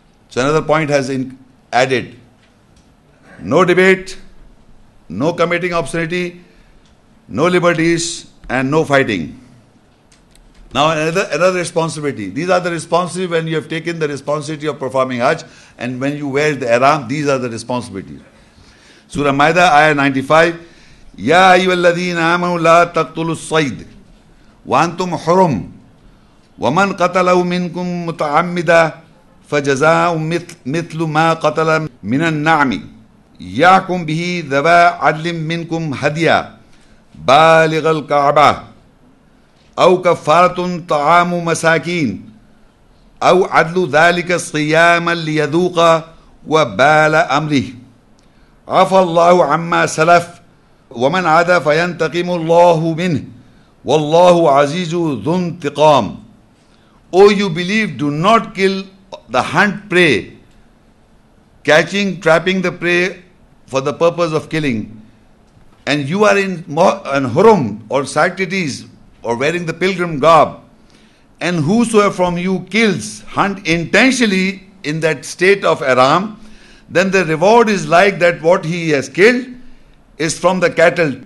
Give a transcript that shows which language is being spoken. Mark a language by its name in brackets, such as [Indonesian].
[English] So another point has been added. No debate, no committing obscenity, no liberties, and no fighting. Now another responsibility. These are the responsibilities when you have taken the responsibility of performing Hajj and when you wear the ihram, these are the responsibilities. Surah Maida, Ayah 95. [Arabic] يا أيها الذين آمنوا لا تقتلوا الصيد وأنتم حرم ومن قتله منكم متعمدا فجزاء مثل ما قتل من النعم يحكم به ذوى عدل منكم هديا بالغ الكعبة أو كفارة طعام مساكين أو عدل ذلك صياما ليذوق وبال أمره عفى الله عما سلف ومن عاد فينتقم الله منه والله عزيز ذو انتقام. [English] O you believe, do not kill the hunt prey. Catching, trapping the prey for the purpose of killing, and you are in hurum or sanctities or wearing the pilgrim garb, and whosoever from you kills, hunt intentionally in that state of aram, then the reward is like that what he has killed is from the cattle.